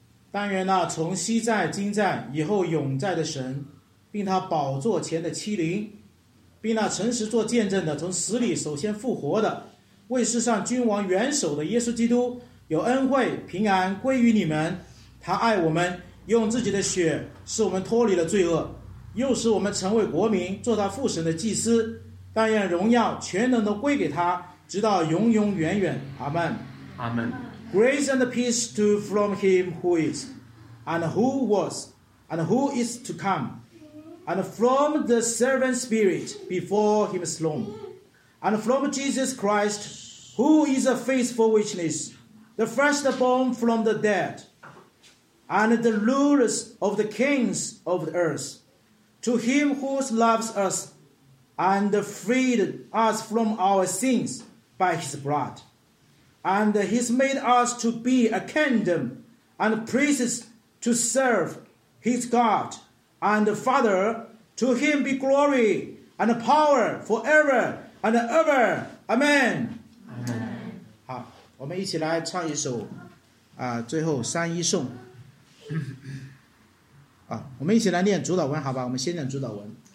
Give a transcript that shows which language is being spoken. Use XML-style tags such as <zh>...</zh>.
<zh>但愿那从昔在、今在、以后永在的神，并他宝座前的七灵，并那诚实做见证的、从死里首先复活的、为世上君王元首的耶稣基督，有恩惠平安归于你们。他爱我们，用自己的血使我们脱离了罪恶，又使我们成为国民，做他父神的祭司。但愿荣耀全能都归给他，直到永永远远，阿们，阿们。</zh> <en>Grace and peace to from him who is, and who was, and who is to come, and from the servant spirit before him slain, and from Jesus Christ, who is a faithful witness, the firstborn from the dead, and the ruler of the kings of the earth, to him who loves us, and freed us from our sins. By his blood, and he's made us to be a kingdom and priests to serve his God and Father. To him be glory and power forever and ever. Amen. Amen.</en> <zh>好，我们一起来唱一首啊，最后三一颂啊，我们一起来念主导文，好吧？我们先念主导文。</zh>